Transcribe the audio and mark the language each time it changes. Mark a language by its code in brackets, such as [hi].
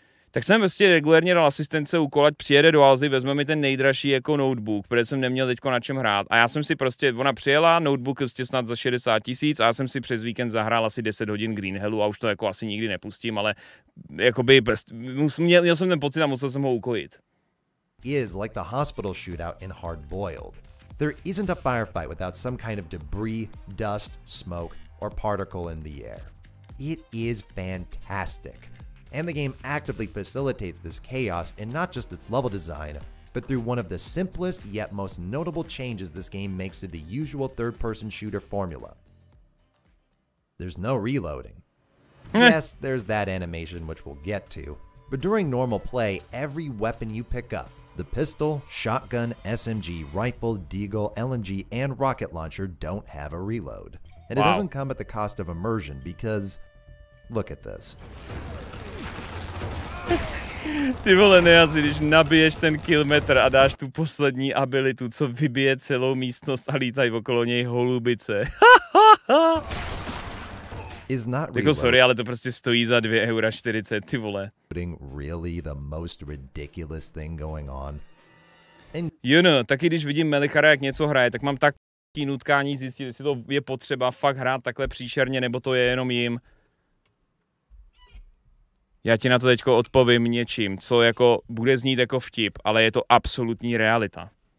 [cs] Tak jsem vlastně regulérně dal asistence u kola, ať přijede do Alzy, vezme mi ten nejdražší jako notebook, protože jsem neměl teďko na čem hrát. A já jsem si prostě, ona přijela, notebook je snad za 60 tisíc a já jsem si přes víkend zahrál asi 10 hodin Green Hellu a už to jako asi nikdy nepustím, ale jakoby měl jsem ten pocit a musel jsem ho ukojit. [en] Is like the hospital shootout in Hard Boiled. There isn't a firefight without some kind of debris, dust, smoke or particle in the air. It is fantastic. And the game actively facilitates this chaos in not just its level design, but through one of the simplest yet most notable changes this game makes to the usual third-person shooter formula. There's no reloading. Yes, there's that animation which we'll get to, but during normal play, every weapon you pick up, the pistol, shotgun, SMG, rifle, deagle, LMG, and rocket launcher don't have a reload. And it doesn't come at the cost of immersion because, look at this. [cs] Ty vole, nejasi, když nabiješ ten kilometr a dáš tu poslední abilitu, co vybije celou místnost a lítají okolo něj holubice. [en] Is not [cs] jako sorry, ale to prostě stojí za 2,40 €, ty vole. [en] Really the most ridiculous thing going on. And... You know, [cs] taky když vidím Melichara, jak něco hraje, tak mám taký nutkání zjistit, jestli to je potřeba fakt hrát takhle příšerně, nebo to je jenom jim. Já ti na to teďko odpovím něčím, co jako bude znít jako vtip, ale je to absolutní realita.